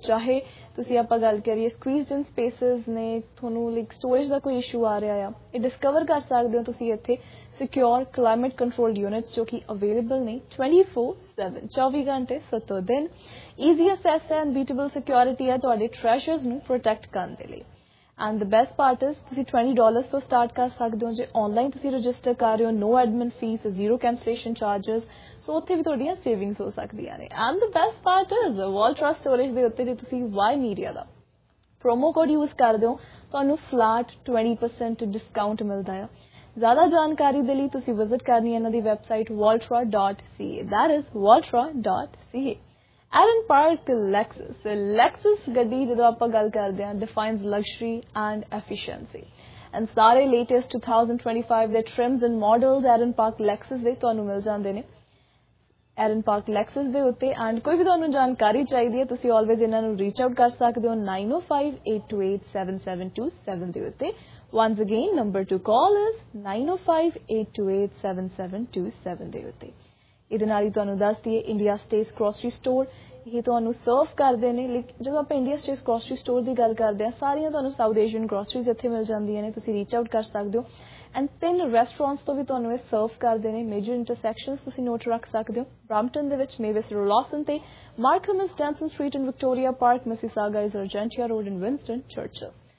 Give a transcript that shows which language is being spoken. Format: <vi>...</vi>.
<pa>Chahe tusi apa gal kariye</pa> <en>squeezed in spaces</en> <pa>ne thonu like storage da koi issue aa reha ya, e discover kar sakde ho tusi itthe secure climate control unit ਜੋ ਕਿ available ਨੇ 24/7 24 ਘੰਟੇ 7 ਦਿਨ। Easy assess ਹੈ, unbeatable security ਹੈ ਤੁਹਾਡੇ ਟ੍ਰੈਸ਼ਰਸ ਨੂੰ protect ਕਰਨ ਦੇ ਲਈ।</pa> <en>and the best part is</en> <pa>ਤੁਸੀਂ $20 ਤੋਂ ਸਟਾਰਟ ਕਰ ਸਕਦੇ ਹੋ ਜੇ ਆਨਲਾਈਨ ਤੁਸੀਂ ਰਜਿਸਟਰ ਕਰ ਰਹੇ ਹੋ। ਨੋ admin fees, zero cancellation charges, ਸੋ ਉੱਥੇ ਵੀ ਤੁਹਾਡੀਆਂ ਸੇਵਿੰਗਸ ਹੋ ਸਕਦੀਆਂ ਨੇ।</pa> <en>and the best part is</en> <pa>ਵਾਲਟਰਾ storage ਦੇ ਉੱਤੇ ਜੇ ਤੁਸੀਂ ਵਾਈ ਮੀਡੀਆ ਦਾ ਪ੍ਰੋਮੋ ਕੋਡ ਯੂਜ਼ ਕਰਦੇ ਹੋ ਤੁਹਾਨੂੰ ਫਲੈਟ 20% ਡਿਸਕਾਊਂਟ ਮਿਲਦਾ ਹੈ। ਜ਼ਿਆਦਾ ਜਾਣਕਾਰੀ ਦੇ ਲਈ ਤੁਸੀਂ ਵਿਜ਼ਿਟ ਕਰਨੀ ਹੈ ਇਹਨਾਂ ਦੀ website waltra.ca,</pa> <en>that is waltra.ca.</en> <pa>Allen Park Lexus. Lexus ਗੱਡੀ ਜਦੋਂ ਆਪਾਂ ਗੱਲ ਕਰਦੇ ਹਾਂ</pa> <en>defines luxury and efficiency</en> <pa>ਐਂਡ ਸਾਰੇ ਲੇਟੈਸਟ 2025 ਦੇ ਟ੍ਰਿਮਸ and models iron park Lexus ਦੇ ਤੁਹਾਨੂੰ ਮਿਲ ਜਾਂਦੇ ਨੇ ਐਰਨ ਪਾਰਕ ਲੈਕਸਸ ਦੇ ਉੱਤੇ। ਐਂਡ ਕੋਈ ਵੀ ਤੁਹਾਨੂੰ ਜਾਣਕਾਰੀ ਚਾਹੀਦੀ ਹੈ ਤੁਸੀਂ ਆਲਵੇਜ਼ ਇਹਨਾਂ ਨੂੰ ਰੀਚ ਆਊਟ ਕਰ ਸਕਦੇ ਹੋ 905-828-7727 ਦੇ ਉੱਤੇ।</pa> <en>Once again, number to call is 905-828-7727</en> <pa>ਦੇ ਉੱਤੇ। ਇਹਦੇ ਨਾਲ ਹੀ ਤੁਹਾਨੂੰ ਦੱਸ ਦਈਏ ਇੰਡੀਆ ਸਟੇਟਸ ਗ੍ਰੋਸਰੀ ਸਟੋਰ ਇਹ ਤੁਹਾਨੂੰ ਸਰਵ ਕਰਦੇ ਨੇ। ਜਦੋਂ ਆਪਾਂ ਇੰਡੀਆ ਸਟੇਟਸ ਗ੍ਰੋਸਰੀ ਸਟੋਰ ਦੀ ਗੱਲ ਕਰਦੇ ਹਾਂ, ਸਾਰੀਆਂ ਤੁਹਾਨੂੰ ਸਾਊਥ ਏਸ਼ੀਅਨ ਗ੍ਰੋਸਰੀਜ਼ ਇੱਥੇ ਮਿਲ ਜਾਂਦੀਆਂ ਨੇ, ਤੁਸੀਂ ਰੀਚ ਆਊਟ ਕਰ ਸਕਦੇ ਹੋ। ਐਂਡ 3 ਰੈਸਟੋਰੈਂਟਸ ਤੋਂ ਵੀ ਤੁਹਾਨੂੰ ਇਹ ਸਰਵ ਕਰਦੇ ਨੇ। ਮੇਜਰ ਇੰਟਰਸੈਕਸ਼ਨਸ ਤੁਸੀਂ ਨੋਟ ਰੱਖ ਸਕਦੇ ਹੋ ਬ੍ਰਾਮਟਨ ਦੇ ਵਿੱਚ ਮੇਵਿਸ ਰੋਲੋਸਨ ਤੇ ਮਾਰਕਮ ਇਸ ਡੈਂਸਨ street and Victoria park, Mississauga is ਅਰਜੈਂਟੀਆ road and ਵਿਨਸਟਨ ਚਰਚਲ।</pa>